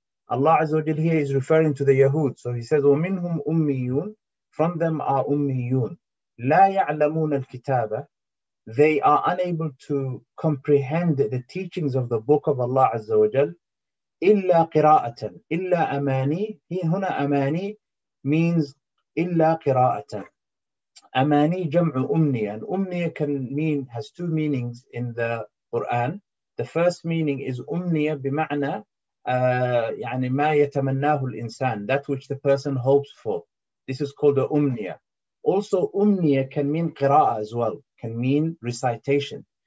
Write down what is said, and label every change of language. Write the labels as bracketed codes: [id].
[en] Allah Azza wa Jal here is referring to the Yahud. So He says, [ar] وَمِنْهُمْ أُمِّيُّونَ, [en] from them are [ar] أُمِّيُّونَ لَا يَعْلَمُونَ الْكِتَابَ, [en] they are unable to comprehend the teachings of the book of Allah Azza wa Jal, [ar] إِلَّا قِرَاءَةً, إِلَّا أَمَانِي. He, هُنَا أَمَانِي [en] means [ar] إِلَّا قِرَاءَةً. أماني جمع أمنية. [en] And أمنية can mean, has two meanings in the Quran. The first meaning is [ar] أمنية بمعنى يعني ما يتمناه الإنسان, [en] that which the person hopes for. This is called the أمنية. Also أمنية can mean قراءة as well, can mean recitation.